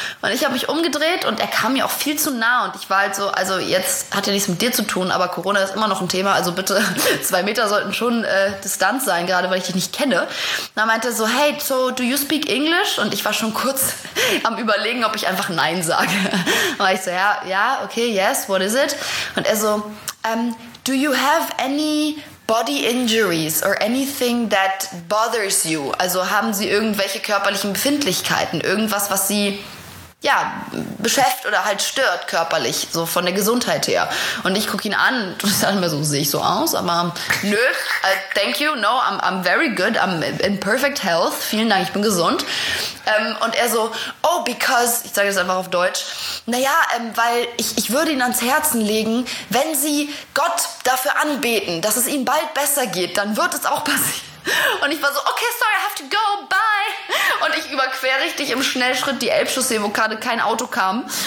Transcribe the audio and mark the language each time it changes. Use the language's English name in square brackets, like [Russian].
[German] Und ich habe mich umgedreht und er kam mir auch viel zu nah. Und ich war halt so, also jetzt hat ja nichts mit dir zu tun, aber Corona ist immer noch ein Thema. Also bitte, 2 Meter sollten schon Distanz sein, gerade weil ich dich nicht kenne. Und dann meinte er so, [English] hey, so do you speak English? [German] Und ich war schon kurz am Überlegen, ob ich einfach Nein sage. Und war ich so, ja, [English] okay, yes, what is it? [German] Und er so, [English] do you have any body injuries or anything that bothers you? [German] Also haben Sie irgendwelche körperlichen Befindlichkeiten? Irgendwas, was Sie ja beschäftigt oder halt stört körperlich, so von der Gesundheit her? Und ich gucke ihn an und sage mir so, sehe ich so aus? Aber nö, [English] thank you, no, I'm very good, I'm in perfect health. [German] Vielen Dank, ich bin gesund. Und er so, [English] oh, because, [German] ich sage es einfach auf Deutsch, naja, weil ich würde ihn ans Herzen legen, wenn sie Gott dafür anbeten, dass es ihm bald besser geht, dann wird es auch passieren. Und ich war so, [English] okay, sorry, I have to go, bye. [German] Und ich überquere richtig im Schnellschritt die Elbchaussee, wo gerade kein Auto kam.